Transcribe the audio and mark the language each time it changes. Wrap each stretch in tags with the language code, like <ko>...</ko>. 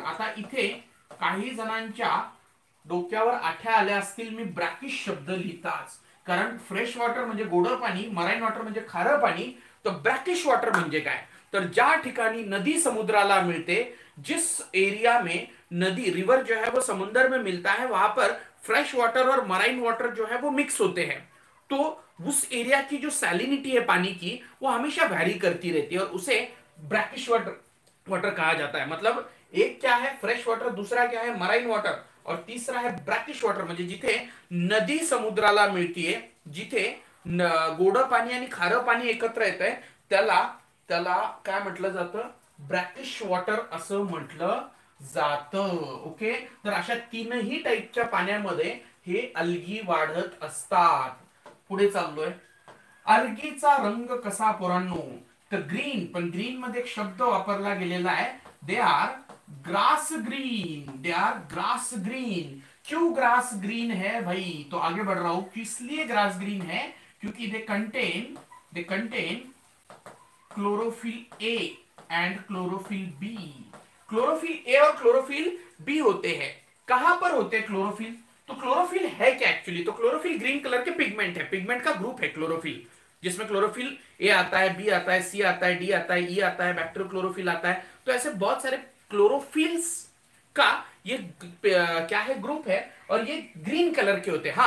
<mr>आता इथे काही जणांच्या डोक्यावर आठ्या आल्या असतील मी ब्रॅकिश शब्द लिहिताच, कारण फ्रेश वॉटर म्हणजे गोडं पाणी, मराइन वॉटर म्हणजे खारं पाणी, तर ब्रॅकिश वॉटर म्हणजे काय, तर ज्या ठिकाणी नदी समुद्राला मिळते,</mr> <hi>जिस एरिया में नदी रिवर जो है वो समुंदर में मिलता है, वहां पर फ्रेश वॉटर और मराइन वॉटर जो है वो मिक्स होते हैं, तो उस एरिया की जो सैलिनिटी है पानी की वो हमेशा वैरी करती रहती है और उसे ब्रैकिश वाटर वाटर कहा जाता है। मतलब एक क्या है फ्रेश वॉटर, दूसरा क्या है मराइन वॉटर, और तीसरा है ब्रैकिश वॉटर,</hi> <mr>म्हणजे जिथे नदी समुद्राला मिळतीये, जिथे गोड पाणी आणि खारं पाणी एकत्र येत आहे, त्याला त्याला काय म्हटलं जातं, ब्रॅकिश वॉटर असं म्हटलं जातं. ओके, तर अशा तीनही टाईपच्या पाण्यामध्ये हे अल्गी वाढत असतात. पुढे चाललोय, अल्गीचा रंग कसा पोरांनो, तर ग्रीन, पण ग्रीन मध्ये एक शब्द वापरला गेलेला आहे,</mr> <en>They are grass green, they are grass green.</en> <hi>क्यों ग्रास ग्रीन है भाई, तो आगे बढ़ रहा हूं, इसलिए ग्रास ग्रीन है क्योंकि</hi> <en>They contain chlorophyll A and chlorophyll B.</en> <hi>Chlorophyll A और क्लोरोफिल बी होते हैं, कहां पर होते हैं क्लोरोफिल, तो क्लोरोफिल है क्या एक्चुअली, तो क्लोरोफिल ग्रीन कलर के पिगमेंट है, पिगमेंट का ग्रुप है क्लोरोफिल, जिसमें क्लोरोफिल ए आता है, बी आता है, सी आता है, डी आता है, ई आता है, बैक्टीरियल क्लोरोफिल आता है, तो ऐसे बहुत सारे क्लोरोफिल्स का ये क्या है ग्रुप है, और ये ग्रीन कलर के होते हैं.</hi>